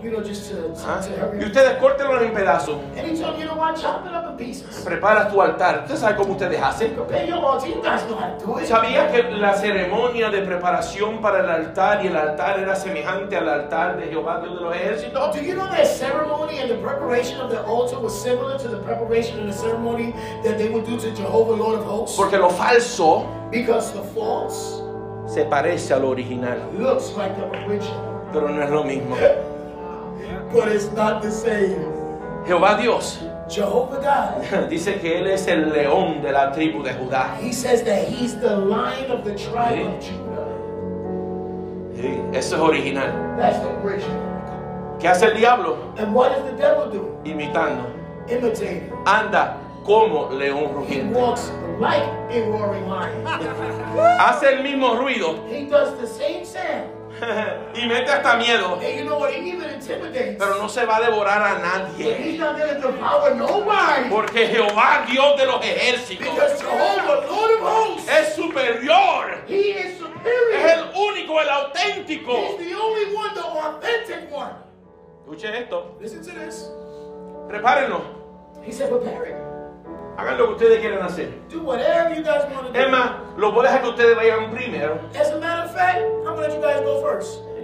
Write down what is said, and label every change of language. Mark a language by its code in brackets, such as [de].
[en] You know, just to hurry. [es] Y ustedes córtenlo en pedazos. [en] And he told you, you know what? Chop it up in pieces. [es] Prepara tu altar. ¿Ustedes saben cómo ustedes hacen? [en] Prepare your altar. You guys know how to do it. [es] ¿Sabía que la ceremonia de preparación para el altar y el altar era semejante al altar de Jehová Dios de los ejércitos? [en] Do you know that ceremony and the preparation of the altar was similar to the preparation and the ceremony that they would do to Jehovah, Lord of hosts? [es] Porque lo falso. [en] Because the false [es] se parece al original. [en] Looks like the original. [es] Pero no es lo mismo. [en] But it's not the same. [es] Jehová Dios. [en] Jehovah God. [es] Dice que él es el león de la tribu de Judá. [en] He says that he's the lion of the tribe of Judah. [es] Sí, eso es original. [en] That's the original. [es] ¿Qué hace el diablo? [en] And what does the devil do? [es] Imitando. [en] Imitating. [es] Anda como león rugiente. [en] He walks like a roaring lion. [es] Hace el mismo ruido. [en] He does the same sound. [es] Y mete hasta miedo. [en] And you know what? He even intimidates. [es] Pero no se va a devorar a nadie. [en] But he's not going to devour nobody. [es] Porque Jehová, Dios de los ejércitos. [en] Because Jehovah, Lord of hosts. [es] Es superior. [en] He is superior. [es] Es el único, el auténtico. [en] He's the only one, the authentic one. [es] Escuche esto. [en] Listen to this. [es] Prepárenlo. [en] He said, prepare it. [es] Hagan lo que ustedes quieran hacer. [en] Do whatever you guys want to do. [es] Emma, lo voy a dejar que ustedes vayan primero. [en] As a matter of fact, I'm going to let you guys go first.